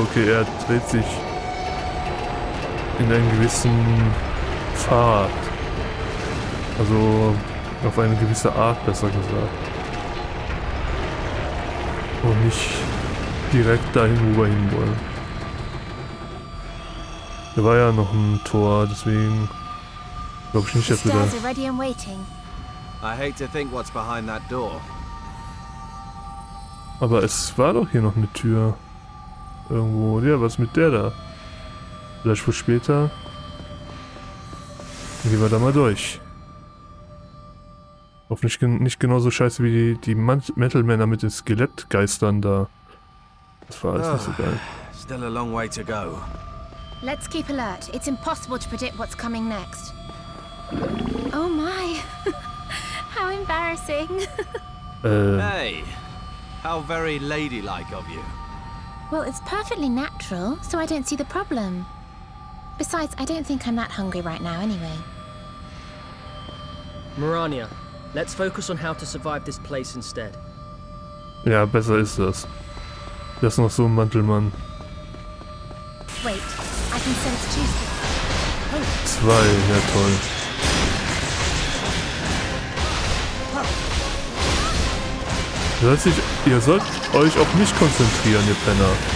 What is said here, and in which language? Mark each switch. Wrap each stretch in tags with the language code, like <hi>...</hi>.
<de>Okay, er dreht sich in einen gewissen Pfad. Also auf eine gewisse Art, besser gesagt. Und nicht direkt dahin, wo wir hinwollen. Da war ja noch ein Tor, deswegen.</de> <en>I hate to think what's behind that door.</en> <de>Aber es war doch hier noch eine Tür. Irgendwo. Ja, was mit der da? Vielleicht wohl später. Gehen wir da mal durch. Hoffentlich nicht genauso scheiße wie die Metal-Männer mit den Skelettgeistern da. Das war alles nicht so geil.</de> <en>Still a long way to go. Let's keep alert. It's impossible to predict what's coming next. Oh my! How embarrassing! Hey! How very ladylike of you! Well, it's perfectly natural, so I don't see the problem. Besides, I don't think I'm that hungry right now anyway. Mirania, let's focus on how to survive this place instead.</en> <de>Ja, besser ist das. Das ist noch so ein Mantelmann.</de> <en>Wait, I can sense two.</en> <de>Zwei, ja toll. Ihr sollt euch auf mich konzentrieren, ihr Penner.</de>